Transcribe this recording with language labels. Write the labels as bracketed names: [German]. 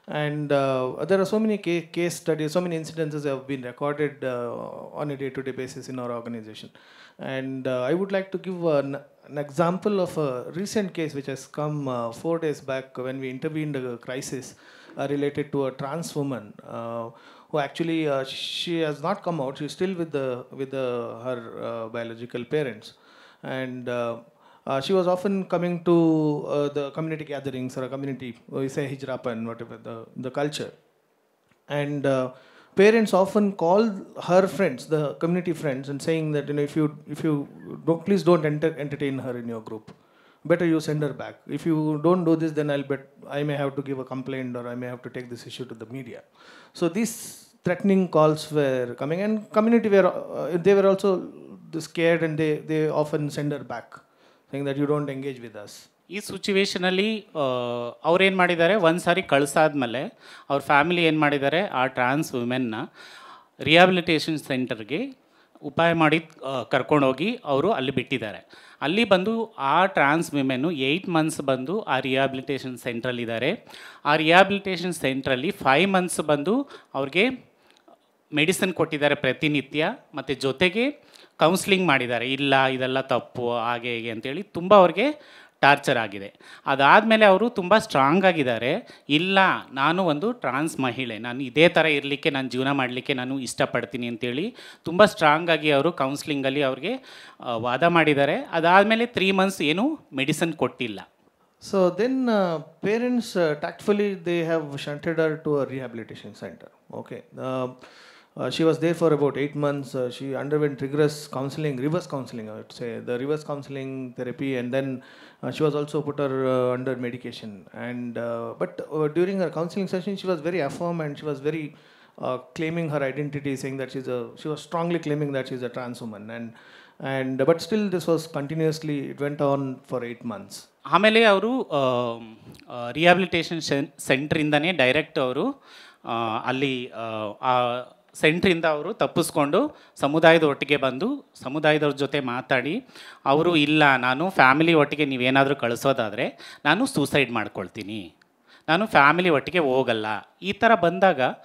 [English] And there are so many case study, so many incidences have been recorded on a day to day basis in our organisation. And I would like to give an example of a recent case which has come 4 days back when we intervened a crisis related to a trans woman who actually she has not come out. She's still with her biological parents, and she was often coming to the community gatherings or a community, we say hijrapan, whatever the culture, and parents often call her friends, the community friends, and saying that, you know, if you don't, please don't entertain her in your group. Better you send her back. If you don't do this, then I may have to give a complaint, or I may have to take this issue to the media. So these threatening calls were coming, and community were also scared, and they often send her back, saying that you don't engage with us. [Kannada] ಈ ಸಿಚುವೇಶನಲ್ಲಿ ಅವ್ರು ಏನು ಮಾಡಿದ್ದಾರೆ, ಒಂದು ಸಾರಿ ಕಳಿಸಾದ್ಮೇಲೆ ಅವ್ರ family ಏನು ಮಾಡಿದ್ದಾರೆ, ಆ ಟ್ರಾನ್ಸ್ ವುಮೆನ್ನ rehabilitation ಸೆಂಟರ್ಗೆ ಉಪಾಯ ಮಾಡಿ ಕರ್ಕೊಂಡೋಗಿ ಅವರು ಅಲ್ಲಿ ಬಿಟ್ಟಿದ್ದಾರೆ. ಅಲ್ಲಿ ಬಂದು ಆ ಟ್ರಾನ್ಸ್ ವುಮೆನ್ನು 8 months ಬಂದು ಆ ರಿಹ್ಯಾಬಿಲಿಟೇಷನ್ ಸೆಂಟ್ರಲ್ಲಿದ್ದಾರೆ. ಆ ರಿಹ್ಯಾಬಿಲಿಟೇಷನ್ ಸೆಂಟ್ರಲ್ಲಿ 5 months ಬಂದು ಅವ್ರಿಗೆ ಮೆಡಿಸಿನ್ ಕೊಟ್ಟಿದ್ದಾರೆ ಪ್ರತಿನಿತ್ಯ, ಮತ್ತು ಜೊತೆಗೆ ಕೌನ್ಸಿಲಿಂಗ್ ಮಾಡಿದ್ದಾರೆ. ಇಲ್ಲ ಇದೆಲ್ಲ ತಪ್ಪು, ಹಾಗೆ ಹೇಗೆ ಅಂತೇಳಿ ತುಂಬ ಅವ್ರಿಗೆ ಟಾರ್ಚರ್ ಆಗಿದೆ. ಅದಾದಮೇಲೆ ಅವರು ತುಂಬ ಸ್ಟ್ರಾಂಗ್ ಆಗಿದ್ದಾರೆ. ಇಲ್ಲ, ನಾನು ಒಂದು ಟ್ರಾನ್ಸ್ ಮಹಿಳೆ, ನಾನು ಇದೇ ಥರ ಇರಲಿಕ್ಕೆ, ನಾನು ಜೀವನ ಮಾಡಲಿಕ್ಕೆ ನಾನು ಇಷ್ಟಪಡ್ತೀನಿ ಅಂತೇಳಿ ತುಂಬ ಸ್ಟ್ರಾಂಗ್ ಆಗಿ ಅವರು ಕೌನ್ಸಿಲಿಂಗಲ್ಲಿ ಅವ್ರಿಗೆ ವಾದ ಮಾಡಿದ್ದಾರೆ. ಅದಾದಮೇಲೆ 3 months ಏನು ಮೆಡಿಸಿನ್ ಕೊಟ್ಟಿಲ್ಲ. [English] So then parents tactfully they have shunted her to a rehabilitation centre. Okay, she was there for about 8 months. She underwent rigorous counseling, reverse counseling I would say, the reverse counseling therapy, and then she was also put her under medication, and during her counseling session she was very affirm, and she was very claiming her identity, saying that she was strongly claiming that she is a trans woman, and but still this was continuously, it went on for 8 months. [Kannada] ಆಮೇಲೆ ಅವರು rehabilitation centre ಇಂದನೇ direct ಅವರು ಅಲ್ಲಿ ಸೆಂಟ್ರಿಂದ ಅವರು ತಪ್ಪಿಸ್ಕೊಂಡು ಸಮುದಾಯದ ಒಟ್ಟಿಗೆ ಬಂದು ಸಮುದಾಯದವ್ರ ಜೊತೆ ಮಾತಾಡಿ ಅವರು ಇಲ್ಲ, ನಾನು ಫ್ಯಾಮಿಲಿ ಒಟ್ಟಿಗೆ ನೀವೇನಾದರೂ ಕಳಿಸೋದಾದರೆ ನಾನು ಸೂಸೈಡ್ ಮಾಡ್ಕೊಳ್ತೀನಿ, ನಾನು ಫ್ಯಾಮಿಲಿ ಒಟ್ಟಿಗೆ ಹೋಗಲ್ಲ, ಈ ಥರ ಬಂದಾಗ